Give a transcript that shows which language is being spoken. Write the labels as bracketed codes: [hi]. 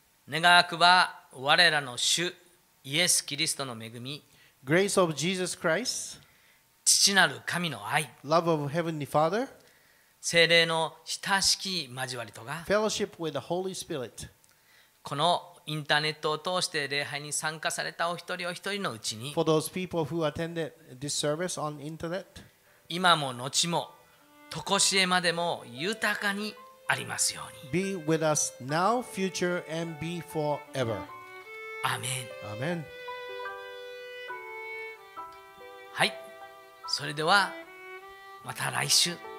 [ja] 願わくば我らの主イエス・キリストの恵み、 [en] Grace of Jesus Christ. [ja] 父なる神の愛、 [en] Love of Heavenly Father. [ja] 聖霊の親しき交わりとが、 [en] Fellowship with the Holy Spirit. [ja] このインターネットを通して礼拝に参加されたお一人お一人のうちに、 [en] For those people who attended this service on internet, [ja] 今も後も常しえまでも豊かにありますように。 [en] Be with us now, future, and be forever. Amen. Amen. [ja] はい、それではまた来週。